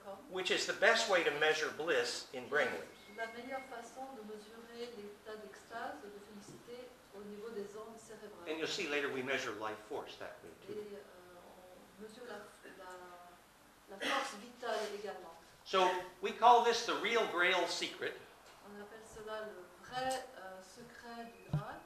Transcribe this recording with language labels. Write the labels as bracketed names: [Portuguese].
[English] Which is the best way to measure bliss in brainwaves. [French] La meilleure façon de mesurer l'état d'extase ou de félicité au niveau des ondes cérébrales. [English] And you'll see later we measure life force that way too. [French] Et on mesure la force vitale également. [English] So we call this the real Grail secret. [French] On appelle cela le vrai secret du Graal.